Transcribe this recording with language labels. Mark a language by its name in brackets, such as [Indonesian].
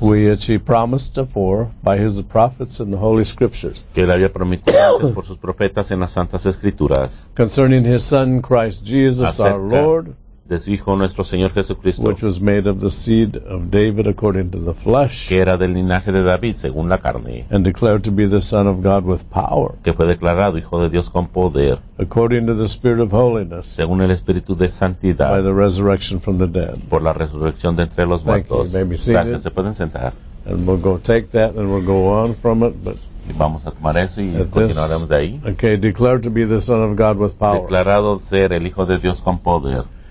[English] Which he promised before by his prophets in the holy scriptures. [Spanish] Que él había prometido antes por sus profetas en las santas escrituras. [English] Concerning his son Christ Jesus our Lord. [Spanish] De su hijo nuestro Señor Jesucristo. [English] Which was made of the seed of David according to the flesh. [Spanish] Que era del linaje de David según la carne. [English] And declared to be the Son of God with power. [Spanish] Que fue declarado hijo de Dios con poder. [English] According to the spirit of holiness. [Spanish] Según el espíritu de santidad. [English] By the resurrection from the dead. [Spanish] Por la resurrección de entre los [English] thank [Spanish] muertos. [English] You may be seated. [Spanish] Gracias, se pueden sentar. [English] And we'll go take that and we'll go on from it, but [Spanish] y vamos a tomar eso y continuaremos de ahí. [English] Okay, declared to be the Son of God with power. [Spanish] Declarado ser el hijo de Dios con poder.